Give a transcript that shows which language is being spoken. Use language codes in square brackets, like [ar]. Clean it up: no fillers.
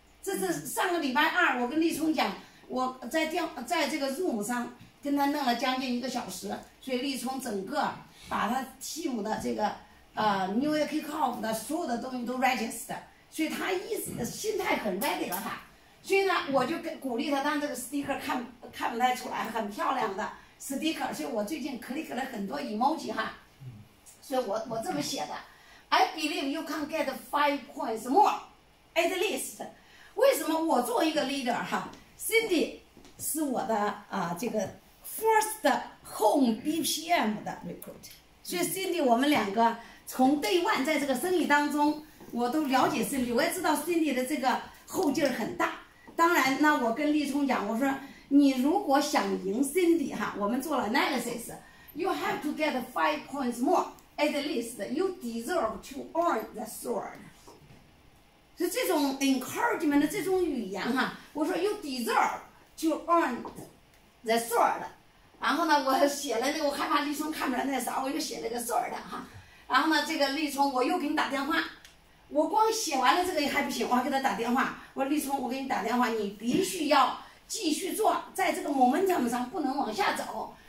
[zh] 这上个礼拜二，我跟立聪讲，我在这个 Zoom 上跟他弄了将近一个小时，所以立聪整个把他 team 的这个New Year kickoff 的所有的东西都 registered， 所以他一直心态很 ready 了哈。所以呢，我就鼓励他，当这个 sticker 看不太出来，很漂亮的 sticker， 所以我最近 click 了很多 emoji 哈，所以我这么写的。 [en] I believe you can get 5 points more, at least. [zh] 为什么我作为一个 leader 哈 ，Cindy 是我的啊这个 first home BPM 的 recruit， 所以 Cindy 我们两个从 day one 在这个生意当中，我都了解 Cindy， 我也知道 Cindy 的这个后劲很大。当然，那我跟立聪讲，我说你如果想赢 Cindy 哈，我们做了 analysis， [en] you have to get 5 points more。 At least you deserve to earn the sword。 [zh] 所以这种 encouragement 的这种语言哈，我说 [en] you deserve to earn the sword。 [zh] 然后呢，我写了那个，我害怕立聪看不出来那啥，我就写了个 sword 哈。然后呢，这个立聪我又给你打电话，我光写完了这个还不行，我还给他打电话，我说立聪，我给你打电话，你必须要继续做，在这个 momentum 上不能往下走。